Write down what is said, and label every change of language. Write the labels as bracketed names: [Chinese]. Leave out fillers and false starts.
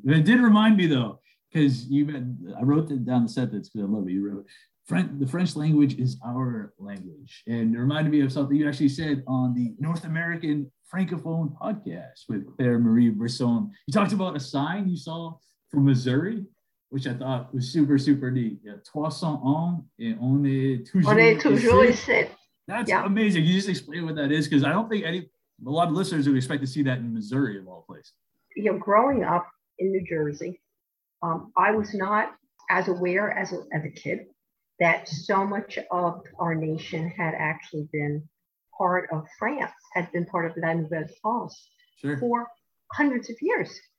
[English] It did remind me, though, because you been, I wrote it down the sentence because I love it. You wrote, the French language is our language. And it reminded me of something you actually said on the North American Francophone podcast with Claire Marie Brisson. You talked about a sign you saw from Missouri, which I thought was super, super neat. [French] Yeah, 300 ans et on est toujours, ici. [English] That's amazing. You just explain what that is, because I don't think a lot of listeners would expect to see that in Missouri of all places. You know, growing up in New Jersey, I was not as aware as a kid that so much of our nation had actually been part of France, had been part of La Nouvelle-France for hundreds of years.